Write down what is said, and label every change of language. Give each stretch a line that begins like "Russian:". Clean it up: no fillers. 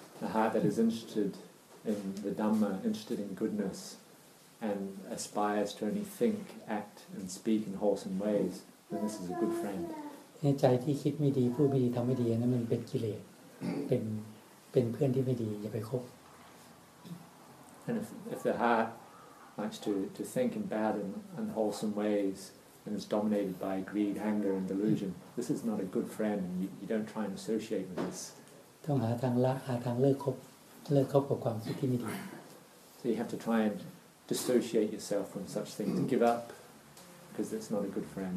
English: A heart that is interested in the Dhamma, interested in goodness, and aspires to only think, act, and speak in wholesome ways, then this is a good friend.
Thai: ใจที่คิดไม่ดีพูดไม่ดีทำไม่ดีนั่นมันเป็นกิเลสเป็นเพื่อนที่ไม่ดีอย่าไปคบ
English: And if the heart likes to think in bad and unwholesome ways. And it's dominated by greed, anger, and delusion. This is not a good friend. You don't try and associate with this.
Thai: ต้องหาทางละหาทางเลิกคบกับความคิดที่ไม่ดี
English: So you have to try and dissociate yourself from such things. Give up, because it's not a good friend.